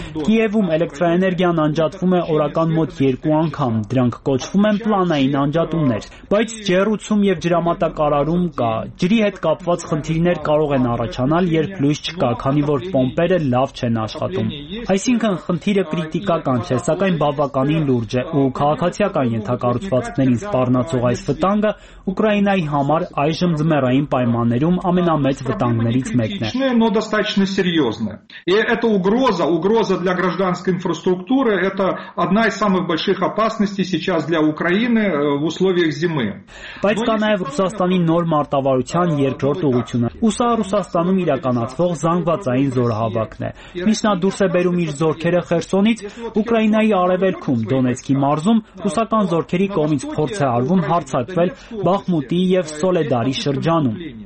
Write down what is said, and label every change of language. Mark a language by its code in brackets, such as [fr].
[hy] Կիևում էլեկտրաէներգիան անջատվում է օրական մոտ 2 անգամ, դրանք կոչվում են պլանային անջատումներ, բայց ջերուցում և ջրամատակարարում կա։ Ջրի հետ կապված խնդիրներ կարող են առաջանալ, երբ լույս չկա, քանի որ պոմպերը լավ չեն աշխատում։ Այսինքն, խնդիրը կրիտիկական չէ, սակայն բավականին լուրջ է, ու քաղաքացիական ենթակառուցվածքներին սպառնացող այս վտանգը Ուկրաինայի համար այժմ ձմեռային պայմաններում ամենամեծ վտանգներից մեկն է։ [ru] Но достаточно серьёзно. И это угроза для гражданской инфраструктуры, это одна из самых больших опасностей сейчас для Украины в условиях зимы. [hy] Բայց կա նաև Ռուսաստանի նոր մարտավարության երկրորդ ուղությունը։ Ուսա Ռուսաստանում իրականացվող զանգվածային զորահավաքն է։ Միշտ նա դուրս է բերում իր զորքերը Խերսոնից, Ուկրաինայի արևելքում, Դոնեցկի մարզում ռուսական զորքերի կողմից փորձ է արվում հարձակվել Բախմուտի և Սոլեդարի շրջանում։